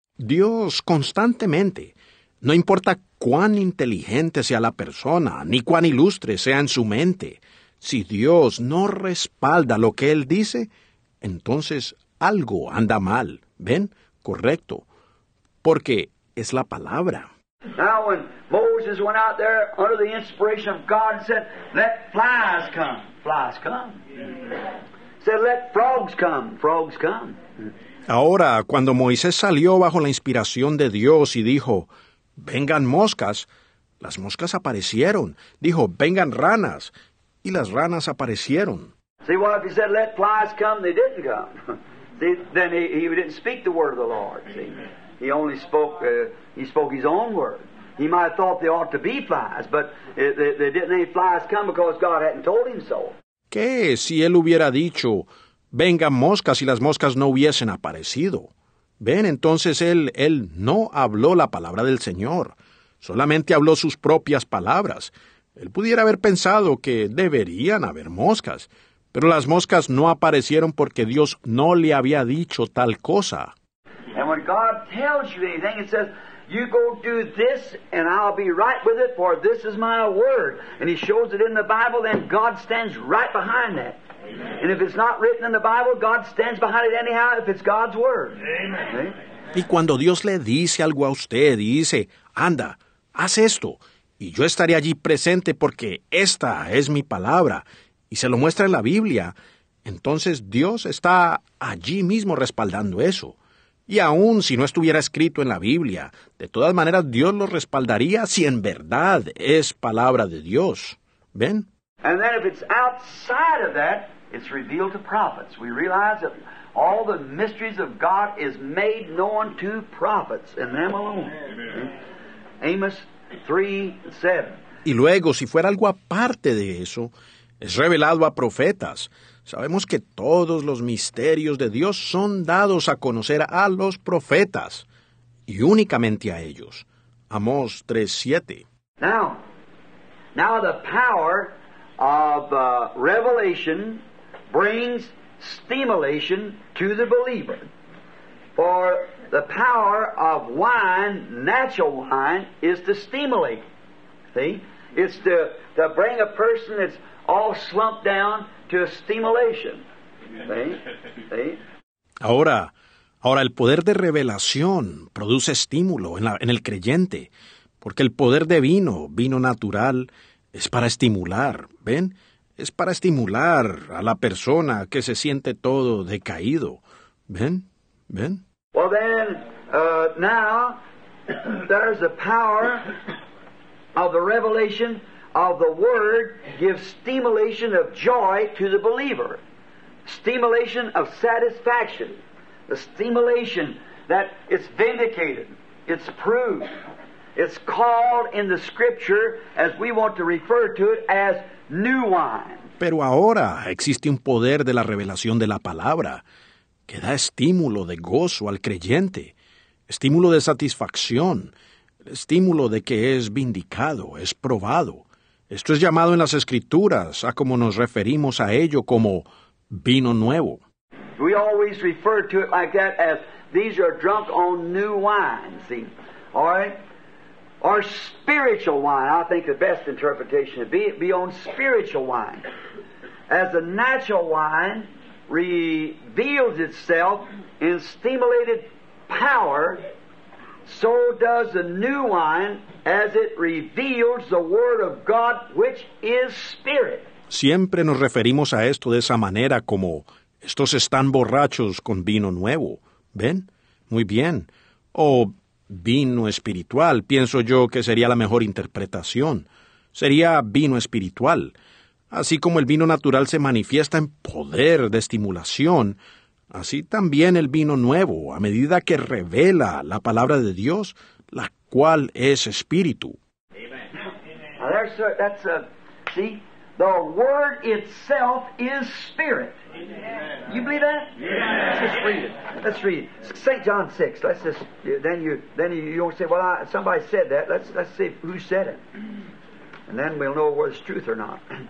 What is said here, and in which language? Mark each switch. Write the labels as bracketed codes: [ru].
[es] Dios constantemente, no importa cuán inteligente sea la persona, ni cuán ilustre sea en su mente, si Dios no respalda lo que él dice, entonces algo anda mal. ¿Ven? Correcto. Porque es la palabra. [en] Now when Moses went out there under the inspiration of God and said, let flies come. Flies come. Said, let frogs come. Frogs come. [es] Ahora, cuando Moisés salió bajo la inspiración de Dios y dijo, vengan moscas, las moscas aparecieron. Dijo, vengan ranas, y las ranas aparecieron. [en] See, what if he said, let flies come, they didn't come. See, then he didn't speak the word of the Lord, see. He only spoke, he spoke his own word. He might have thought there ought to be flies, but there didn't any flies come because God hadn't told him so. [es] ¿Qué si él hubiera dicho, vengan moscas y las moscas no hubiesen aparecido? Ven, entonces él no habló la palabra del Señor. Solamente habló sus propias palabras. Él pudiera haber pensado que deberían haber moscas, pero las moscas no aparecieron porque Dios no le había dicho tal cosa. [en] And when God tells you anything, it says, you go do this and I'll be right with it, for this is my word. And he shows it in the Bible, then God stands right behind that. And if it's not written in the Bible, God stands behind it anyhow if it's God's word. [es] Y cuando Dios le dice algo a usted y dice, anda, haz esto, y yo estaré allí presente porque esta es mi palabra, y se lo muestra en la Biblia, entonces Dios está allí mismo respaldando eso. Y aun si no estuviera escrito en la Biblia, de todas maneras Dios lo respaldaría si en verdad es palabra de Dios. ¿Ven? [en] And then if it's outside of that, it's revealed to prophets. We realize that all the mysteries of God is made known to prophets and them alone. Amos 3:7. [es] Y luego, si fuera algo aparte de eso, es revelado a profetas. Sabemos que todos los misterios de Dios son dados a conocer a los profetas, y únicamente a ellos. Amos 3:7. [en] Now the power of revelation brings stimulation to the believer. For the power of wine, natural wine, is to stimulate. See? It's to bring a person that's all slumped down to a stimulation. See? See? [es] Ahora el poder de revelación produce estímulo en el creyente, porque el poder de vino natural, es para estimular, ¿ven? Es para estimular a la persona que se siente todo decaído, ¿ven? [en] Well then, now, there's the power of the revelation of the word gives stimulation of joy to the believer. Stimulation of satisfaction. The stimulation that it's vindicated, it's proved. It's called in the scripture, as we want to refer to it, as new wine. [es] Pero ahora existe un poder de la revelación de la palabra que da estímulo de gozo al creyente, estímulo de satisfacción, estímulo de que es vindicado, es probado. Esto es llamado en las escrituras a como nos referimos a ello como vino nuevo. [en] We always refer to it like that as these are drunk on new wine, see? All right? Or spiritual wine, I think the best interpretation would be on spiritual wine. As the natural wine reveals itself in stimulated power, so does the new wine as it reveals the Word of God, which is Spirit. [es] Siempre nos referimos a esto de esa manera, como estos están borrachos con vino nuevo. ¿Ven? Muy bien. Vino espiritual, pienso yo que sería la mejor interpretación. Sería vino espiritual. Así como el vino natural se manifiesta en poder de estimulación, así también el vino nuevo, a medida que revela la palabra de Dios, la cual es espíritu. [en] Amen. Amen. Now that's a, see, the word itself is spirit. Amen. You believe that? Yeah. Let's just read it. Let's read it. St. John 6. Let's just, then you won't say, somebody said that. Let's see who said it. And then we'll know whether it's truth or not.